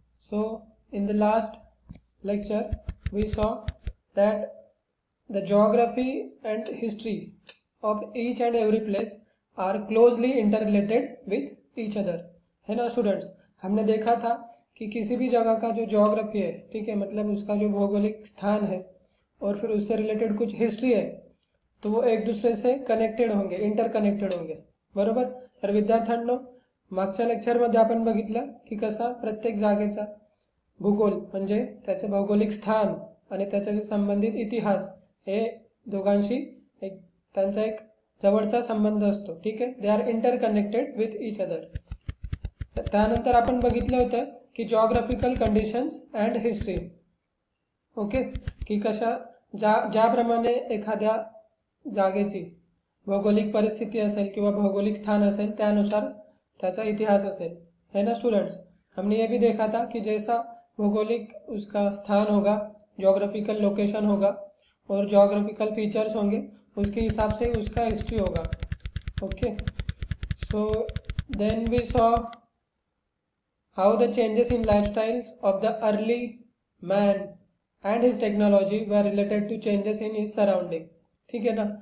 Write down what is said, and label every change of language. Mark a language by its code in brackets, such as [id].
[en] so in the last lecture we saw that the geography and history of each and every place are closely interrelated with each other, [hi] है ना students. हमने देखा था कि किसी भी जगह का जो ज्योग्राफी है, ठीक है, मतलब उसका जो भौगोलिक स्थान है और फिर उससे रिलेटेड कुछ हिस्ट्री है, तो वो एक दूसरे से कनेक्टेड होंगे, इंटरकनेक्टेड होंगे, बरोबर. [mr] तर विद्यार्थ्यांनो, मागच्या लेक्चरमध्ये आपण बघितलं की कसा प्रत्येक जागेचा भूगोल म्हणजे त्याचं भौगोलिक स्थान आणि त्याच्याशी संबंधित इतिहास हे दोघांशी एक त्यांचा एक जवळचा संबंध असतो, ठीक आहे. [en] They are interconnected with each other. [mr] त्यानंतर आपण बघितलं होतं कि geographical conditions end history, okay, कि कशा ज्याप्रमाणे एखाद्या जागेची भौगोलिक परिस्थिती असेल किंवा भौगोलिक स्थान असेल त्यानुसार त्याचा इतिहास असेल, [hi] है ना स्टूडेंट्स. हमने ये भी देखा था कि जैसा भौगोलिक उसका स्थान होगा, जॉग्राफिकल लोकेशन होगा और जॉग्राफिकल फीचर्स होंगे, उसके हिसाब से उसका हिस्ट्री होगा, okay. [en] so then we saw how the changes in life style of the early man and his technology were related to changes in his surrounding, [hi] ठीक है ना.